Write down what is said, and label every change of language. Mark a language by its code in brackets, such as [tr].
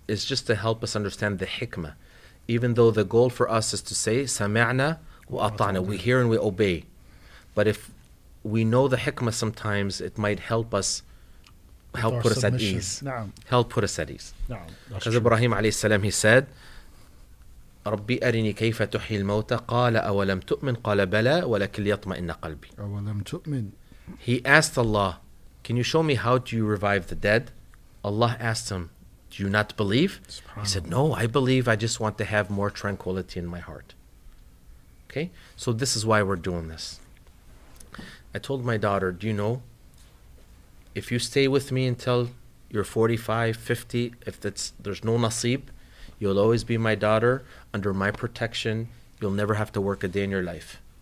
[en] It's just to help us understand the hikmah. Even though the goal for us is to say, sami'na wa ata'na, we hear and we obey. But if we know the hikmah sometimes, it might help put us at ease. No, because Ibrahim alayhi salam, he said, [ar] ربي أرني كيف تحيي الموتى قال أولم تؤمن قال بلى ولكن ليطمئن قلبي. أولم تؤمن. [en] He asked Allah, can you show me how do you revive the dead? Allah asked him, do you not believe? He said, no, I believe, I just want to have more tranquility in my heart. Okay, so this is why we're doing this. I told my daughter, do you know, if you stay with me until you're 45, 50, if that's, there's no nasib, you'll always be my daughter, under my protection, you'll never have to work a day in your life.